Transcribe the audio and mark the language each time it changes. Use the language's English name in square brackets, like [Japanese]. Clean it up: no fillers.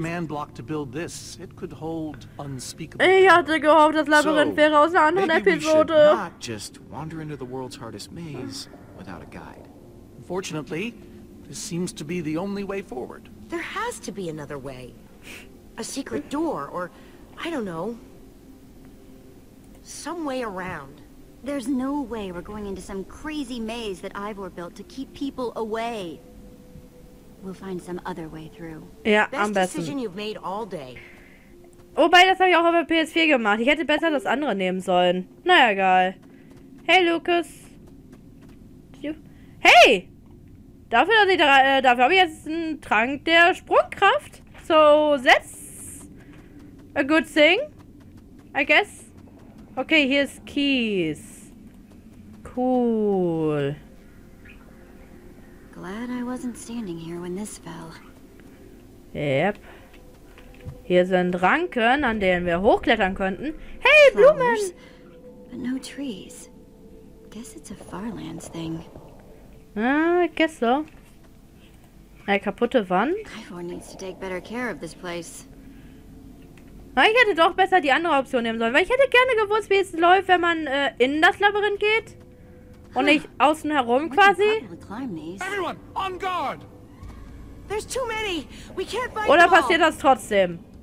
[German] Ich hatte gehofft, das Labyrinth wäre aus einer anderen Episode. [English] Just wander into the world's hardest maze without a guide. Unfortunately, this seems to be the only way forward. There has to be another way. A secret door or I don't know. Some way around. There's no way we're going into some crazy maze that Ivor built to keep people away. We'll find some other way through. Yeah, I'm best decision you've made all day. [German] Wobei, das habe ich auch auf der PS4 gemacht. Ich hätte besser das andere nehmen sollen. Na ja, egal. Hey, Lucas. Hey! Dafür, dass ich da, dafür habe ich jetzt einen Trank der Sprungkraft. [English] So, that's a good thing, I guess. [German] Okay, hier ist Keys. Cool. [English] Glad I wasn't standing here when this fell. Yep. [German] Hier sind Ranken, an denen wir hochklettern könnten. Hey, Blumen! [English] But no trees. Guess it's a Farlands thing. Ah, I guess so. [German] Eine kaputte Wand. [English] Ivor needs to take better care of this place. [German] Ich hätte doch besser die andere Option nehmen sollen, weil ich hätte gerne gewusst, wie es läuft, wenn man in das Labyrinth geht. Und nicht außen herum quasi. [English] Everyone, on guard! There's too many. We can't fight. [German] Oder passiert das trotzdem?